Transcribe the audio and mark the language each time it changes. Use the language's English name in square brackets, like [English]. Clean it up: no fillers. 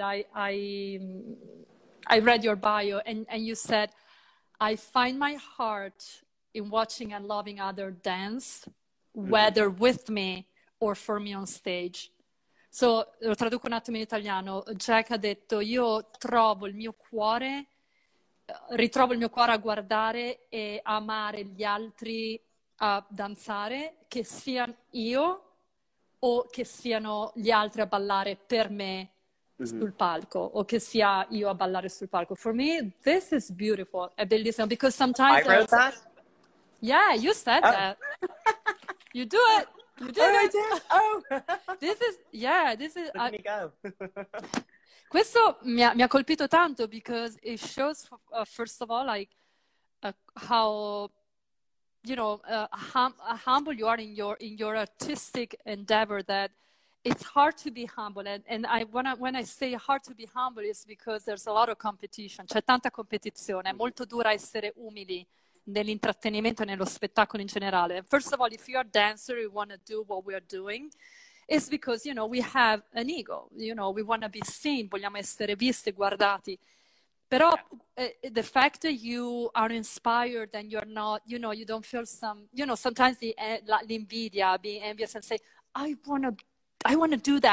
[English] I read your bio and you said, I find my heart in watching and loving other dance, whether with me or for me on stage. [Italian] So, lo traduco un attimo in italiano. Jack ha detto, io ritrovo il mio cuore a guardare e amare gli altri a danzare, che siano io o che siano gli altri a ballare per me sul palco, o che sia io a ballare sul palco. [English] For me, this is beautiful. [Italian] È bellissimo, [English] because sometimes... I wrote that? Yeah, you said that. You do it. You did it. Oh, I did. Oh. This is... Let me go. [Italian] Questo mi ha colpito tanto, [English] because it shows, first of all, like, how... you know, humble you are in your artistic endeavor, that it's hard to be humble. And when I say hard to be humble, it's because there's a lot of competition. [Italian] C'è tanta competizione. È molto dura essere umili nell'intrattenimento e nello spettacolo in generale. [English] First of all, if you're a dancer, you want to do what we are doing, it's because, you know, we have an ego. You know, we want to be seen. [Italian] Vogliamo essere visti, guardati. [English] Però the fact that you are inspired and you're not, you know, you don't feel some, you know, sometimes l'invidia, being envious and say, I wanna do that.